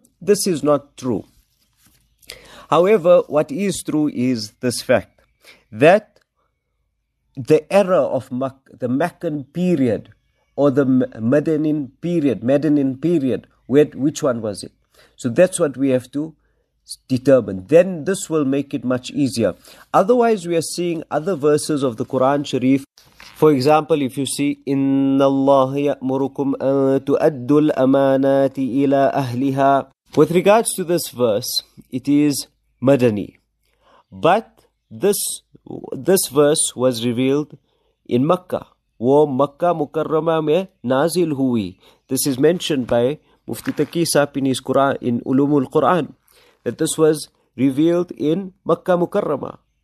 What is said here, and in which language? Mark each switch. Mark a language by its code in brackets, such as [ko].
[en] This is not true. However, what is true is this fact, that the era of the Meccan period or the Madinan period, which one was it? So that's what we have to determine. Then this will make it much easier. Otherwise, we are seeing other verses of the Quran Sharif. For example, if you see [ar] إِنَّ اللَّهَ يَأْمُرُكُمْ أَن تُؤَدُّوا الْأَمَانَاتِ إِلَىٰ أَهْلِهَا. [en] With regards to this verse, it is Madani. But this verse was revealed in Makkah. [ur] Wo Makkah Mukarrama mein nazil hui. [en] This is mentioned by Mufti Taqi Sahib in his Quran, in Ulumul Quran, that this was revealed in Makkah Mukarrama.